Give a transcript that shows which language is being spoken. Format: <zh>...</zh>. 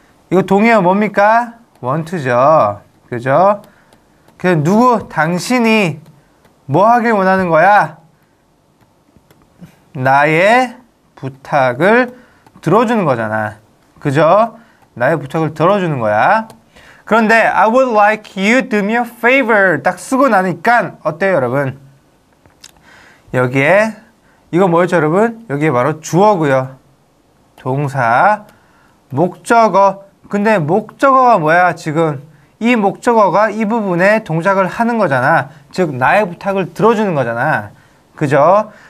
<ko>이거 동의어 뭡니까? want죠. 그죠? 그 누구, 당신이 뭐 하길 원하는 거야? 나의 부탁을 들어주는 거잖아. 그죠? 나의 부탁을 들어주는 거야. 그런데</ko> <en>I would like you to do me a favor</en> <ko>딱 쓰고 나니까 어때요, 여러분? 여기에 이거 뭐였죠, 여러분? 여기에 바로 주어고요. 동사 목적어. 근데 목적어가 뭐야, 지금? 이 목적어가 이 부분에 동작을 하는 거잖아. 즉 나의 부탁을 들어주는 거잖아. 그죠?</ko>